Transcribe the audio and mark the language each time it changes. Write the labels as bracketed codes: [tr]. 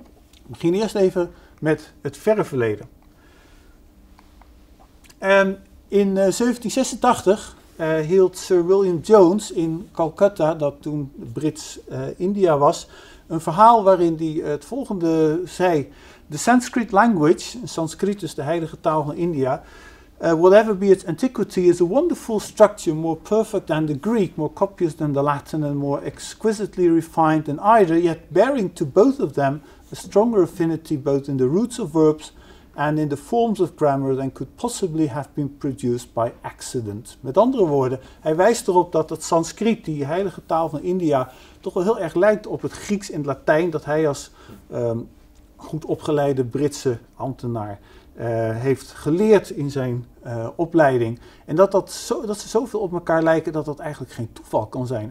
[nl] We beginnen eerst even met het verre verleden. En in 1786... hield Sir William Jones in Calcutta, dat toen Brits-India was, een verhaal waarin hij het volgende zei. [en] The Sanskrit language, [nl] Sanskrit is de heilige taal van India, [en] whatever be its antiquity, is a wonderful structure, more perfect than the Greek, more copious than the Latin, and more exquisitely refined than either, yet bearing to both of them a stronger affinity both in the roots of verbs and in the forms of grammar than could possibly have been produced by accident. [nl] Met andere woorden, hij wijst erop dat het Sanskriet, die heilige taal van India, toch wel heel erg lijkt op het Grieks en Latijn dat hij als goed opgeleide Britse ambtenaar heeft geleerd in zijn opleiding. En dat ze zoveel op elkaar lijken dat dat eigenlijk geen toeval kan zijn.